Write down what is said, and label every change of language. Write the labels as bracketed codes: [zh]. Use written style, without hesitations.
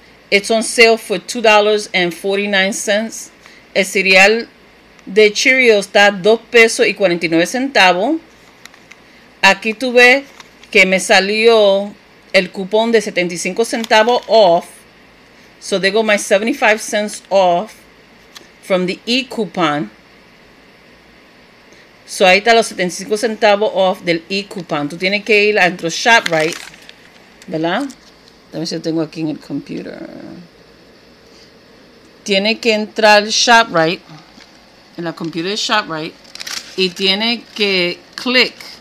[en] It's on sale for $2.49. [es] El cereal de Cheerios está $2.49. Aquí tuve que me salió el cupón de 75 centavos off. [en] So they got my 75 cents off from the e-coupon. [es] So ahí está los 75 centavos off del e-coupon. Tú tienes que ir a entro ShopRite, ¿verdad? A ver si lo tengo aquí en el computer. Tiene que entrar ShopRite, en la computer de ShopRite, y tiene que click.